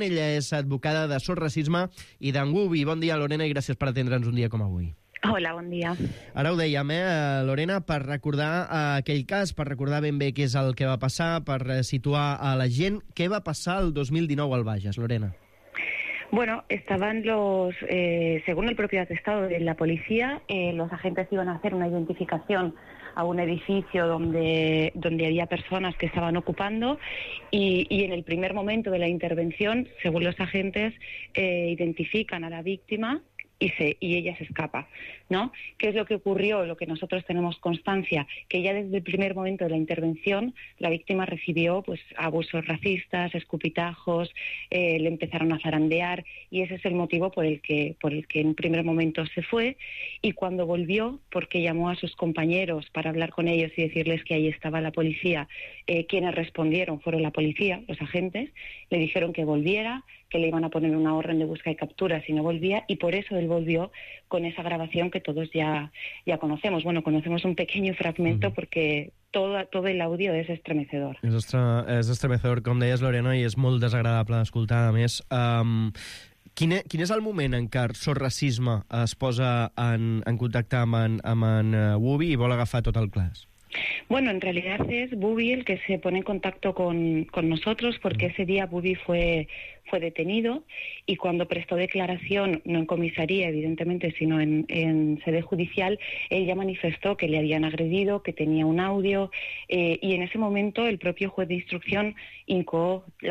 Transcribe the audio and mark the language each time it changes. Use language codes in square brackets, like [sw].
[ca] Ella és advocada de Sort Racisme i d'en Wubi. Bon dia, Lorena, i gràcies per atendre'ns un dia com avui. Hola, bon dia. Ara ho dèiem, Lorena, per recordar aquell cas, per recordar ben bé què és el que va passar, per situar a la gent, què va passar el 2019 al Bages, Lorena? [es] Bueno, estaban los, según el propio atestado de la policía, los agentes iban a hacer una identificación a un edificio donde había personas que estaban ocupando y en el primer momento de la intervención, según los agentes, identifican a la víctima y ella se escapa, ¿no? ¿Qué es lo que ocurrió? Lo que nosotros tenemos constancia, que ya desde el primer momento de la intervención la víctima recibió pues abusos racistas, escupitajos, le empezaron a zarandear y ese es el motivo por el que en un primer momento se fue y cuando volvió, porque llamó a sus compañeros para hablar con ellos y decirles que ahí estaba la policía, quienes respondieron fueron la policía, los agentes, le dijeron que volviera, que le iban a poner una orden de búsqueda y captura si no volvía, y por eso él volvió con esa grabación que todos ya conocemos. Bueno, conocemos un pequeño fragmento porque todo el audio es estremecedor. [ca] És estremecedor, com deies, Lorena, i és molt desagradable d'escoltar, a més. Quin és el moment en què Sorracisme es posa en contacte amb en Wubi i vol agafar tot el clas? [es] Bueno, en realidad es Bubi el que se pone en contacto con nosotros, porque ese día Bubi fue detenido, y cuando prestó declaración, no en comisaría, evidentemente, sino en sede judicial, él ya manifestó que le habían agredido, que tenía un audio, y en ese momento el propio juez de instrucción incoó